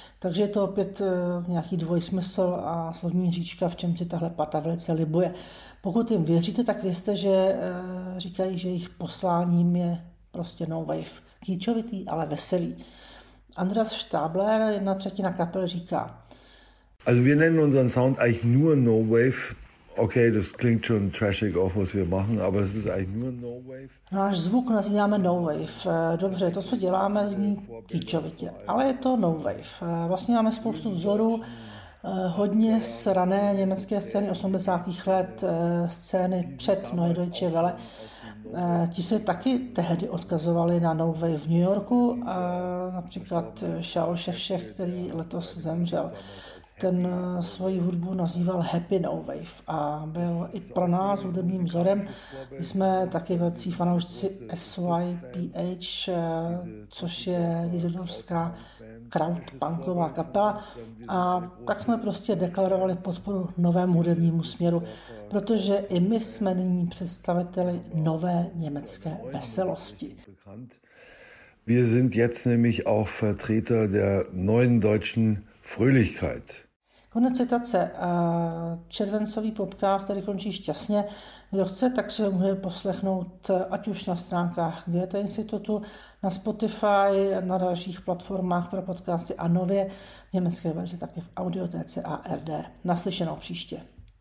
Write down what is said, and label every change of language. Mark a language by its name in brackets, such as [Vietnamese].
[Czech] Takže je to opět nějaký dvojsmysl a slovní říčka, v čem si tahle pata velice libuje. Pokud jim věříte, tak vězte, že říkají, že jejich posláním je prostě no wave. Kýčovitý, ale veselý. Andreas Stabler, jedna třetina kapel, říká: [German] Also wir nennen unseren Sound eigentlich nur no wave. Okay, das klingt schon trashig auch, was wir machen, aber es ist eigentlich nur no wave. [Czech] Náš zvuk nazýváme no wave. Dobře, to, co děláme, zní kýčovitě, ale je to no wave. Vlastně máme spoustu vzorů, hodně z rané německé scény 80. let, scény před Neue Deutsche Welle. Ti se taky tehdy odkazovali na no wave v New Yorku, například Shaul Shevchev, který letos zemřel. Ten svoji hudbu nazýval Happy No Wave a byl i pro nás hudebním vzorem. My jsme taky velcí fanoušci SYPH, což je nizozemská krautpunková kapela, a tak jsme prostě deklarovali podporu novému hudebnímu směru, protože i my jsme nyní představiteli nové německé veselosti. [German] Wir sind jetzt nämlich auch Vertreter der neuen deutschen Fröhlichkeit. [Czech] Konec citace. Červencový popkáv tady končí šťastně. Kdo chce, tak si ho může poslechnout ať už na stránkách GT institutu, na Spotify, na dalších platformách pro podcasty a nově v německé verzi také v Audiotece a RD. Naslyšenou příště.